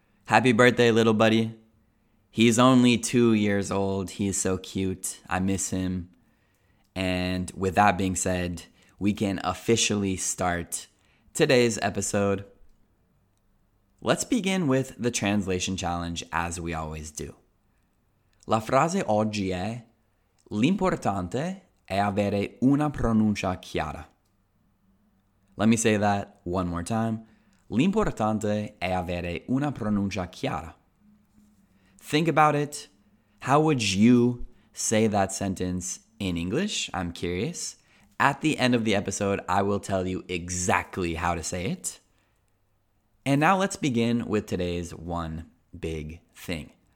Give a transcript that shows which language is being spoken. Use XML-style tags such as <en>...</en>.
<en>Happy birthday, little buddy. He's only 2 years old. He's so cute. I miss him. And with that being said, we can officially start today's episode. Let's begin with the translation challenge as we always do.</en> <it>La frase oggi è: l'importante è avere una pronuncia chiara.</it> <en>Let me say that one more time.</en> <it>L'importante è avere una pronuncia chiara.</it> <en>Think about it. How would you say that sentence in English? I'm curious. At the end of the episode, I will tell you exactly how to say it. And now let's begin with today's one big thing.</en>